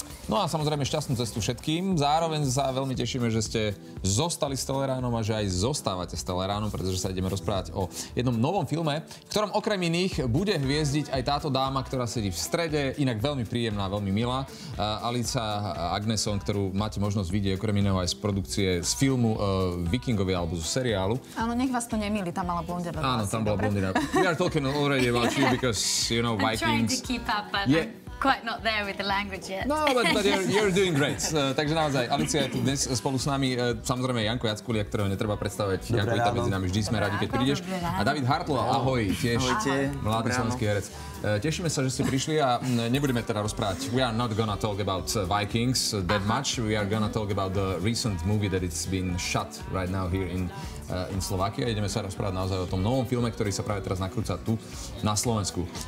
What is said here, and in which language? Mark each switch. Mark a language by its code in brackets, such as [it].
[sk] No a samozrejme šťastnú cestu všetkým. Zároveň sa veľmi tešíme, že ste zostali s Teleránom a že aj zostávate s Teleránom, pretože sa ideme rozprávať o jednom novom filme, v ktorom okrem iných bude hviezdiť aj táto dáma, ktorá sedí v strede, inak veľmi príjemná, veľmi milá, Alica Agneson, ktorú máte možnosť vidieť okrem iného aj z produkcie z filmu Vikingovia alebo zo seriálu. Áno, nech vás to nemýli, tam mala blondina. Áno, tam bola blondina. [en] We are talking already about you because you know Vikings. I'm trying to keep up, but yeah. Quite not there with the language yet. No, but you're doing great. [sk] Takže naozaj, Alicia je tu dnes spolu s nami. Samozrejme, Janko Jackulia, ktorého netreba predstavovať. Janko, vítam medzi nami. Vždy sme radi, keď prídeš. A David Hartl, ahoj. Tiež mladý slovenský herec. Tešíme sa, že ste prišli a nebudeme teda rozprávať. [en] We are not gonna talk about Vikings that much. We are gonna talk about the recent movie that it's been shot right now here in Slovakia. [sk] Ideme sa rozprávať naozaj o tom novom filme, ktorý sa práve teraz nakrúca tu na Slovensku.